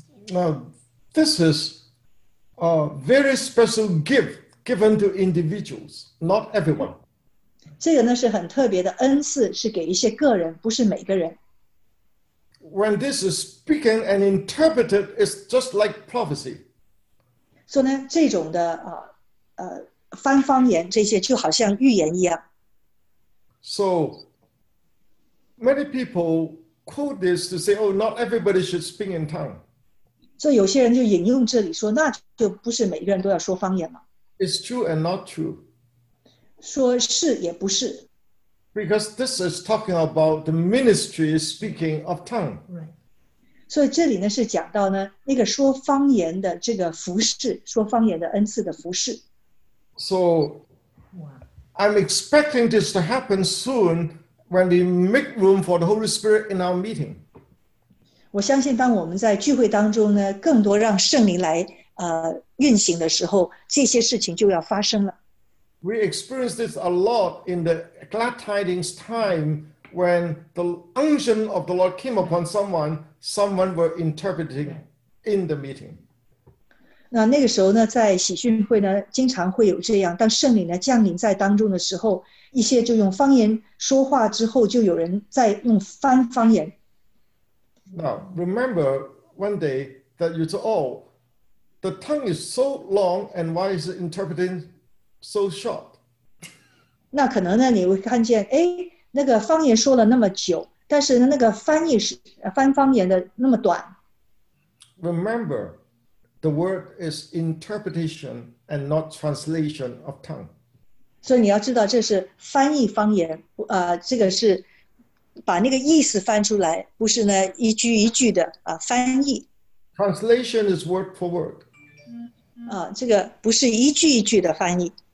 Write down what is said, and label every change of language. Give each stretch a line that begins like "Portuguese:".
English: Now this is a very special gift given to individuals not everyone
Chinese: 这个呢是很特别的恩赐是给一些个人不是每个人
English: When this is speaking and interpreted it's just like prophecy
Chinese: 所以呢这种的翻方言这些就好像预言一样
English: So many people quote this to say, "Oh, not everybody should speak in tongue."
Chinese: 所以有些人就引用这里说，那就不是每个人都要说方言吗
English: ？It's true and not true.
Chinese: 说是也不是。
English: Because this is talking about the ministry speaking of tongue. Right.
Chinese: 所以这里呢, 是讲到呢, 那个说方言的这个服事, 说方言的恩赐的服事。
English: So, I'm expecting this to happen soon when we make room for the Holy Spirit in our meeting.
Chinese: 我相信当我们在聚会当中呢, 更多让圣灵来, 运行的时候, 这些事情就要发生了。
English: We experienced this a lot in the glad tidings time when the unction of the Lord came upon someone, someone were interpreting in the meeting.
Chinese: 那个时候呢, 在喜讯会呢, 经常会有这样, 当圣灵呢, 降临在当中的时候, 一些就用方言说话之后, 就有人在用翻方言。
English: Now, remember one day that you said, oh, the tongue is so long and why is it interpreting so short?
Chinese: 那可能呢, 你会看见, 诶, 那个方言说了那么久, 但是呢, 那个翻译是, 翻方言的那么短。
English: Remember, the word is interpretation and not translation of tongue.
Chinese: 所以你要知道这是翻译方言, 这个是把那个意思翻出来, 不是呢, 一句一句的, 翻译。
English: Translation is word for word.
Chinese: 这个不是一句一句的翻译。